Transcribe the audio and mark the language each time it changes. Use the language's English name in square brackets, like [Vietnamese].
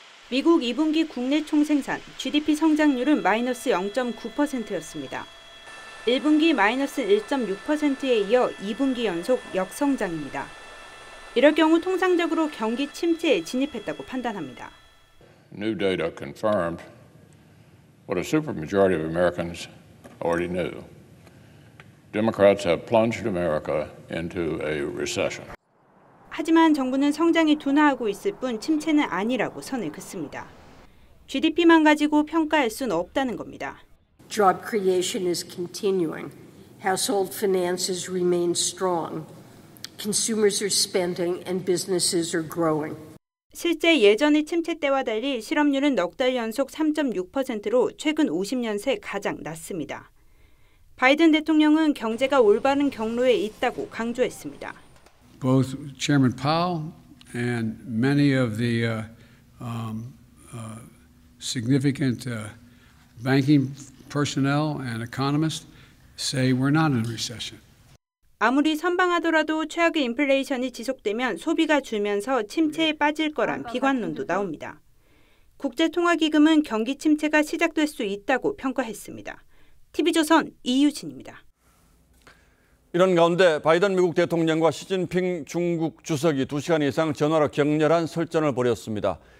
[Korean] 미국 2분기 국내 총생산 GDP 성장률은 마이너스 0.9%였습니다. 1분기 마이너스 1.6%에 이어 2분기 연속 역성장입니다. 이럴 경우 통상적으로 경기 침체에 진입했다고 판단합니다. [English] New data confirmed what a supermajority of Americans already knew. Democrats have plunged America into a recession. [Korean] 하지만 정부는 성장이 둔화하고 있을 뿐 침체는 아니라고 선을 긋습니다. GDP만 가지고 평가할 순 없다는 겁니다. [English] Job creation is continuing. Household finances remain strong. Consumers are spending and businesses are growing. [Korean] 실제 예전의 침체 때와 달리 실업률은 넉달 연속 3.6%로 최근 50년 새 가장 낮습니다. 바이든 대통령은 경제가 올바른 경로에 있다고 강조했습니다. [English] Both Chairman Powell and many of the significant banking personnel and economists say we're not in recession. [Korean] 아무리 선방하더라도 최악의 인플레이션이 지속되면 소비가 줄면서 침체에 빠질 거란 비관론도 나옵니다. 국제통화기금은 경기 침체가 시작될 수 있다고 평가했습니다. TV조선 이유진입니다. 이런 가운데 바이든 미국 대통령과 시진핑 중국 주석이 2시간 이상 전화로 격렬한 설전을 벌였습니다.